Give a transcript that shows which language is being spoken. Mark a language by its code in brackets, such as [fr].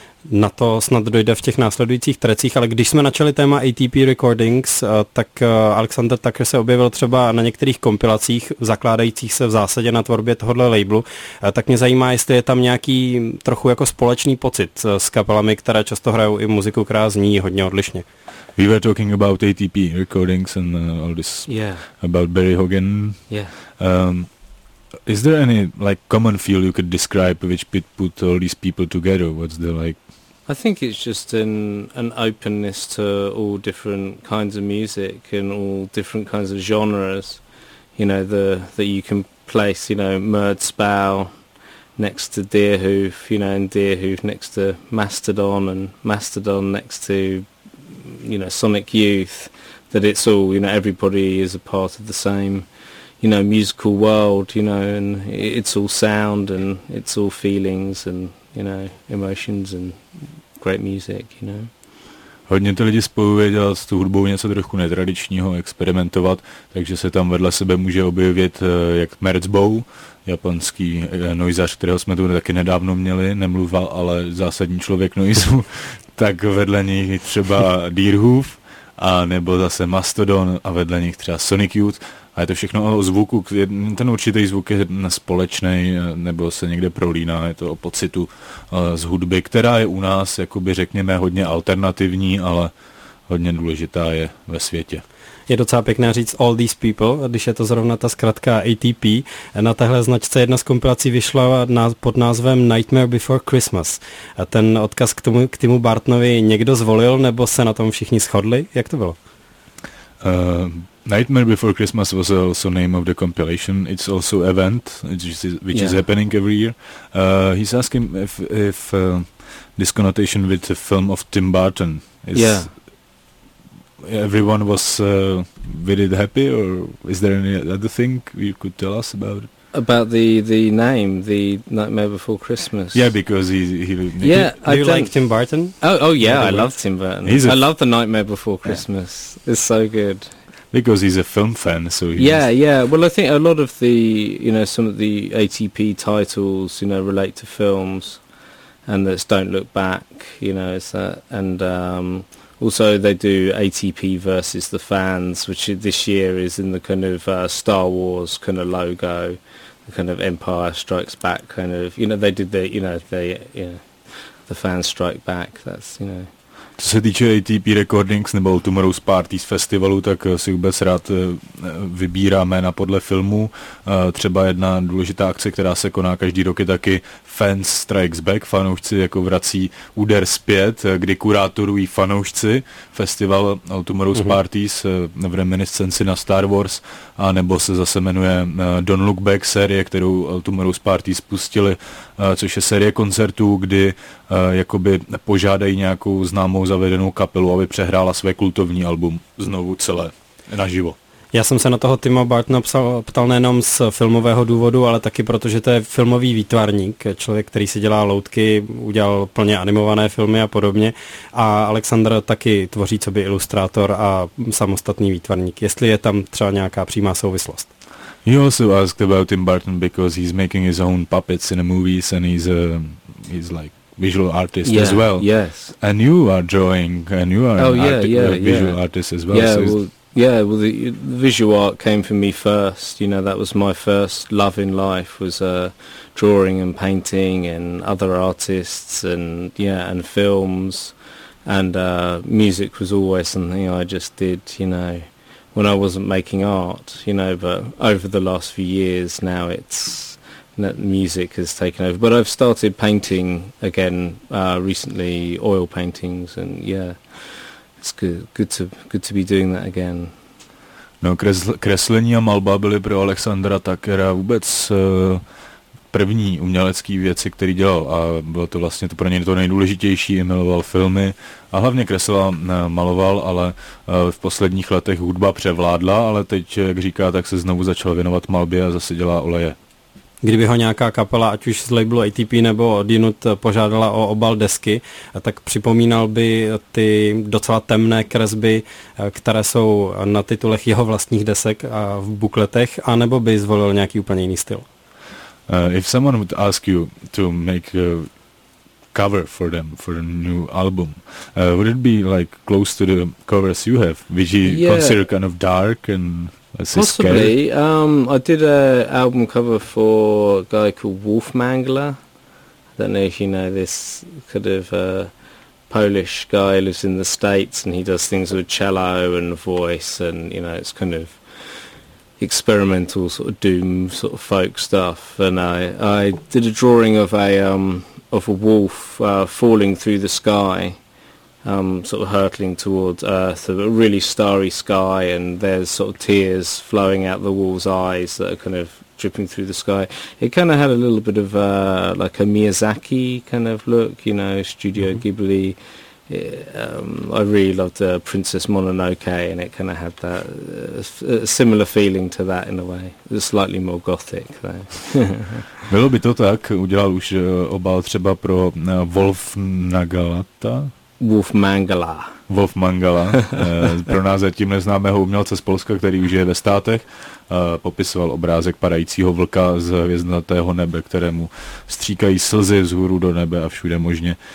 [cs] Na to snad dojde v těch následujících trecích, ale když jsme načali téma ATP Recordings, tak Alexander Tucker se objevil třeba na některých kompilacích, zakládajících se v zásadě na tvorbě tohohle labelu, tak mě zajímá, jestli je tam nějaký trochu jako společný pocit s kapelami, které často hrajou i muziku, která zní hodně odlišně. [en] We were talking about ATP Recordings and all this, yeah. About Barry Hogan. Yeah. Is there any like common feel you could describe which put all these people together? What's the like? I think it's just an openness to all different kinds of music and all different kinds of genres. You know, that you can place, you know, Murdspell next to Deerhoof, you know, and Deerhoof next to Mastodon, and Mastodon next to, you know, Sonic Youth. That it's all, you know, everybody is a part of the same, you know, musical world, you know, and it's all sound and it's all feelings and, you know, emotions and great music, you know. [cs] Hodně ty lidi spojuje dělat s tu hudbou něco trochu netradičního, experimentovat, takže se tam vedle sebe může objevit jak Merzbow, japonský noizař, kterého jsme tu taky nedávno měli, nemluval, ale zásadní člověk noizu, tak vedle nich třeba Deerhoof, a nebo zase Mastodon a vedle nich třeba Sonic Youth. A je to všechno o zvuku, ten určitý zvuk je společný nebo se někde prolíná, je to o pocitu z hudby, která je u nás, jakoby řekněme, hodně alternativní, ale hodně důležitá je ve světě. Je docela pěkné říct [en] All These People, [cs] když je to zrovna ta zkratka ATP. Na téhle značce jedna z kompilací vyšla pod názvem Nightmare Before Christmas. A ten odkaz k Timu Bartnovi někdo zvolil, nebo se na tom všichni shodli? Jak to bylo? [en] Nightmare Before Christmas was also name of the compilation. It's also event, which is happening every year. He's asking if this connotation with the film of Tim Burton is... Yeah. Everyone was with it happy, or is there any other thing you could tell us about? About the name, the Nightmare Before Christmas. Yeah, because he yeah, do you like Tim Burton? Oh yeah, I love Tim Burton. I love the Nightmare Before Christmas. Yeah. It's so good. Because he's a film fan, so he Well, I think a lot of the, you know, some of the ATP titles, you know, relate to films, and that's Don't Look Back, you know, is that, and also they do ATP versus the fans, which this year is in the kind of Star Wars kind of logo, the kind of Empire Strikes Back kind of, you know, they did the, you know, the fans strike back, that's, you know. [cs] Co se týče ATP Recordings nebo Tomorrow's Parties festivalu, tak si vůbec rád vybírá jména podle filmu. Třeba jedna důležitá akce, která se koná každý rok, je taky Fans Strikes Back. Fanoušci jako vrací úder zpět, kdy kurátorují fanoušci festival Tomorrow's Parties v reminiscenci na Star Wars, a nebo se zase jmenuje Don't Look Back série, kterou Tomorrow's Parties spustili, což je série koncertů, kdy jakoby požádají nějakou známou zavedenou kapelu, aby přehrála své kultovní album znovu celé, naživo. Já jsem se na toho Tima Bartna ptal nejenom z filmového důvodu, ale taky proto, že to je filmový výtvarník, člověk, který si dělá loutky, udělal plně animované filmy a podobně, a Alexander taky tvoří co by ilustrátor a samostatný výtvarník. Jestli je tam třeba nějaká přímá souvislost? [en] He also asked about Tim Burton because he's making his own puppets in the movies and he's like visual artist as well. Yes. And you are drawing and you are visual artist as well. Well, the visual art came for me first. You know, that was my first love in life, was drawing and painting and other artists and films. And music was always something I just did, you know, when I wasn't making art, you know, but over the last few years now it's, music has taken over. But I've started painting again recently, oil paintings, and yeah, it's good to be doing that again. [cs] No, kreslení a malba byly pro Alexandra Tuckera vůbec první umělecký věci, který dělal, a bylo to vlastně to pro něj to nejdůležitější, i miloval filmy a hlavně kresla, maloval, ale v posledních letech hudba převládla, ale teď, jak říká, tak se znovu začal věnovat malbě a zase dělá oleje. Kdyby ho nějaká kapela, ať už z labelu ATP nebo odjinud, požádala o obal desky, tak připomínal by ty docela temné kresby, které jsou na titulech jeho vlastních desek a v bukletech, anebo by zvolil nějaký úplně jiný styl? [en] If someone would ask you to make a cover for them, for a new album, would it be like close to the covers you have, which you consider kind of dark and... Possibly. I did an album cover for a guy called Wolf Mangler. I don't know if you know this kind of Polish guy who lives in the States, and he does things with cello and voice, and, you know, it's kind of experimental sort of doom sort of folk stuff. And I did a drawing of a wolf falling through the sky, sort of hurtling towards Earth, a really starry sky, and there's sort of tears flowing out the wolf's eyes that are kind of dripping through the sky. It kind of had a little bit of like a Miyazaki kind of look, you know, Studio Ghibli. I really loved Princess Mononoke, and it kind of had that similar feeling to that in a way. It was slightly more gothic, though. [cs] Bylo by to tak, udělal už obal třeba pro Wolf Nagalata? Wolf Mangala. Wolf Mangala. Pro nás zatím neznámého umělce z Polska, který už je ve Státech, popisoval obrázek padajícího vlka z hvězdnatého nebe, kterému stříkají slzy vzhůru do nebe a všude možně.